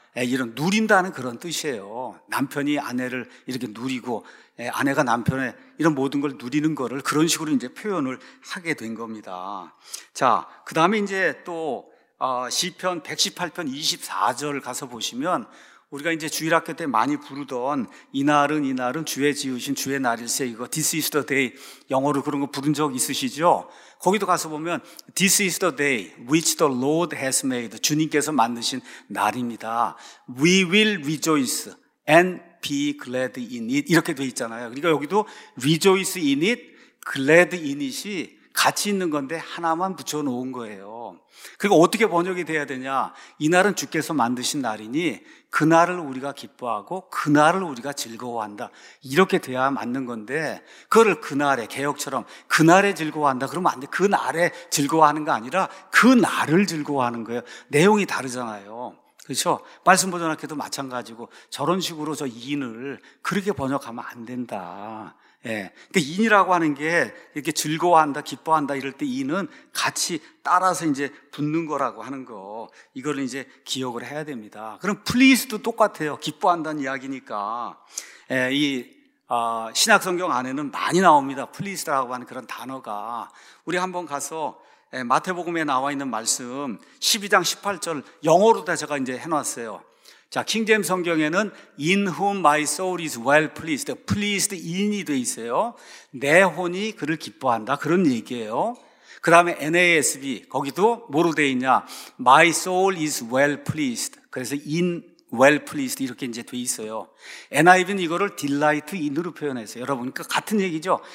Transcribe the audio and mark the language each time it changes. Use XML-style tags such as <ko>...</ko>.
<ko>이런 누린다는 그런 뜻이에요. 남편이 아내를 이렇게 누리고 아내가 남편의 이런 모든 걸 누리는 거를 그런 식으로 이제 표현을 하게 된 겁니다. 자, 그 다음에 이제 또 시편 118편 24절 가서 보시면 우리가 이제 주일학교 때 많이 부르던 이날은 이날은 주의 지으신 주의 날일세 이거</ko> <en>This is the day</en> <ko>영어로 그런 거 부른 적 있으시죠? 거기도 가서 보면</ko> <en>This is the day which the Lord has made</en> <ko>주님께서 만드신 날입니다.</ko> <en>We will rejoice and be glad in it</en> <ko>이렇게 돼 있잖아요. 그러니까 여기도</ko> <en>rejoice in it, glad in it</en> <ko>이 같이 있는 건데 하나만 붙여놓은 거예요. 그리고 어떻게 번역이 돼야 되냐? 이날은 주께서 만드신 날이니 그날을 우리가 기뻐하고 그날을 우리가 즐거워한다 이렇게 돼야 맞는 건데 그거를 그날에 개혁처럼 그날에 즐거워한다 그러면 안 돼. 그날에 즐거워하는 거 아니라 그날을 즐거워하는 거예요. 내용이 다르잖아요. 그렇죠? 말씀 보존학회도 마찬가지고 저런 식으로 저 인을 그렇게 번역하면 안 된다. 예. 그러니까 인이라고 하는 게 이렇게 즐거워한다, 기뻐한다 이럴 때 인은 같이 따라서 이제 붙는 거라고 하는 거. 이거를 이제 기억을 해야 됩니다. 그럼 please도 똑같아요. 기뻐한다는 이야기니까. 예, 이 신약성경 안에는 많이 나옵니다. please라고 하는 그런 단어가. 우리 한번 가서 마태복음에 나와 있는 말씀 12장 18절 영어로 다 제가 이제 해놨어요. 자, 킹제임 성경에는</ko> <en>In whom my soul is well pleased, pleased in</en> <ko>이 돼 있어요. 내 혼이 그를 기뻐한다 그런 얘기예요. 그 다음에 NASB 거기도 뭐로 돼 있냐?</ko> <en>My soul is well pleased.</en> <ko>그래서</ko> <en>in well pleased</en> <ko>이렇게 이제 돼 있어요. NIV는 이거를 delight in으로 표현해서 여러분 그 같은 얘기죠.</ko>